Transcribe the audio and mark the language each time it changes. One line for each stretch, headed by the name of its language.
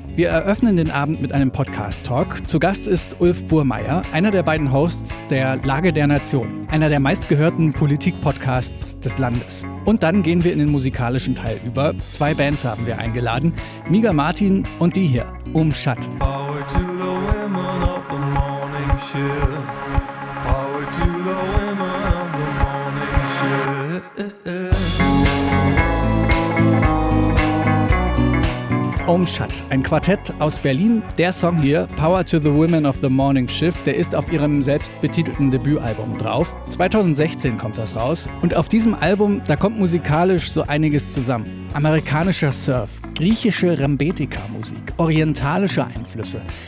German: Wir eröffnen den Abend mit einem Podcast-Talk. Zu Gast ist Ulf Burmeier, einer der beiden Hosts der Lage der Nation, einer der meistgehörten Politik-Podcasts des Landes. Und dann gehen wir in den musikalischen Teil über. Zwei Bands haben wir eingeladen, Miga Martin und die hier, Umschatt.
English: Power to the women of the morning shift. Power to the women of the morning shift.
German: Umschatt, ein Quartett aus Berlin. Der Song hier, Power to the Women of the Morning Shift, der ist auf ihrem selbst betitelten Debütalbum drauf. 2016 kommt das raus. Und auf diesem Album, da kommt musikalisch so einiges zusammen. Amerikanischer Surf, griechische Rembetika-Musik, orientalische Einflüsse.